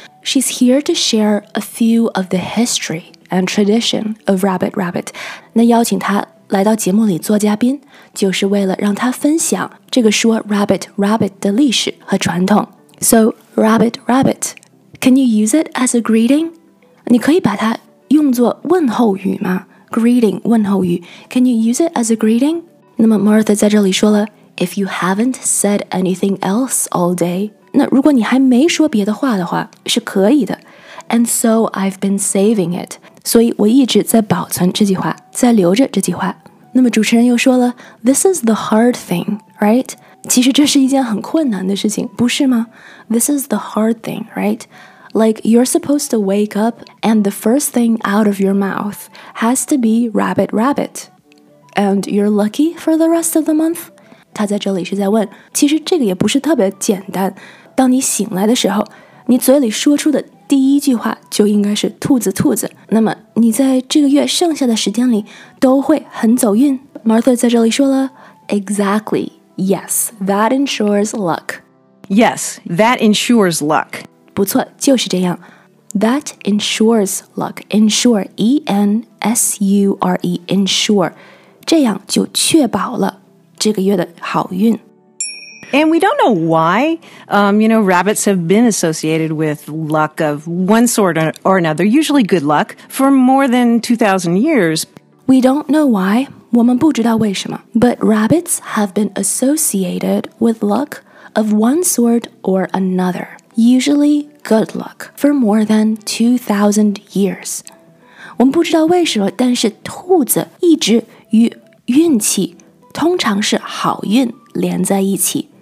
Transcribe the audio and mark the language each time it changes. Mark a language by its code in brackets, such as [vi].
[en] She's here to share a few of the history and tradition of Rabbit Rabbit. [zh] 那邀请她来到节目里做嘉宾，就是为了让她分享这个说 Rabbit Rabbit 的历史和传统。 [en] So Rabbit Rabbit, can you use it as a greeting? [zh] 你可以把它用作问候语吗？ [en] Greeting, 问候语 Can you use it as a greeting? [zh] 那么 Martha 在这里说了 [en] If you haven't said anything else all day [zh] 那如果你还没说别的话的话是可以的 [en] And so I've been saving it [zh] 所以我一直在保存这句话在留着这句话那么主持人又说了 [en] This is the hard thing, right? [zh] 其实这是一件很困难的事情不是吗 [en] This is the hard thing, right? Like, you're supposed to wake up and the first thing out of your mouth has to be rabbit rabbit. And you're lucky for the rest of the month? [zh] 他在这里是在问，其实这个也不是特别简单。当你醒来的时候，你嘴里说出的第一句话就应该是兔子兔子。那么你在这个月剩下的时间里都会很走运。 [en] Martha [zh] 在这里说了 [en] ,Exactly, yes, that ensures luck. Yes, that ensures luck. [zh] 不错就是这样 [en] That ensures luck [zh] Ensure E-N-S-U-R-E Ensure 这样就确保了这个月的好运 [en] And we don't know why you know, rabbits have been associated with luck of one sort or another Usually good luck For more than 2,000 years We don't know why [zh] 我们不知道为什么 [en] But rabbits have been associated with luck of one sort or anotherUsually good luck for more than 2,000 years. [zh] 我们不知道为什么，但是兔子一直与运气，通常是好运连在一起。